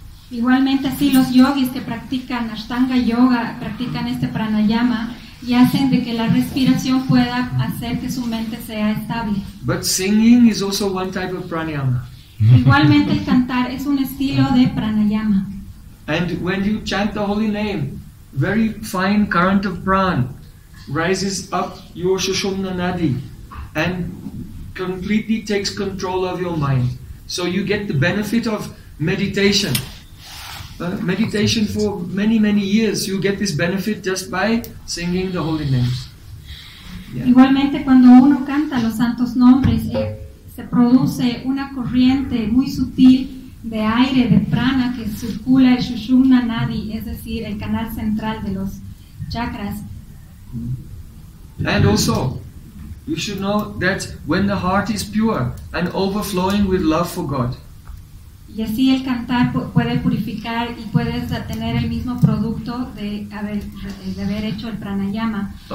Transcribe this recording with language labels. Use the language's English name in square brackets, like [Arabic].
[Spanish] Igualmente así los yogis que practican Ashtanga Yoga, practican este pranayama y hacen de que la respiración pueda hacer que su mente sea estable. [English] But singing is also one type of pranayama. [Spanish] Igualmente el cantar es un estilo de pranayama. [English] And when you chant the holy name, very fine current of prana rises up your Sushumna Nadi and completely takes control of your mind. So you get the benefit of meditation. Meditation for many, many years, you get this benefit just by singing the holy names. Yeah. [Spanish] Igualmente, cuando uno canta los santos nombres, se produce una corriente muy sutil de aire, de prana, que circula el Sushumna Nadi, es decir, el canal central de los chakras. [English] And also, you should know that when the heart is pure and overflowing with love for God, [Spanish] y así el cantar puede purificar y puedes tener el mismo producto de haber hecho el pranayama.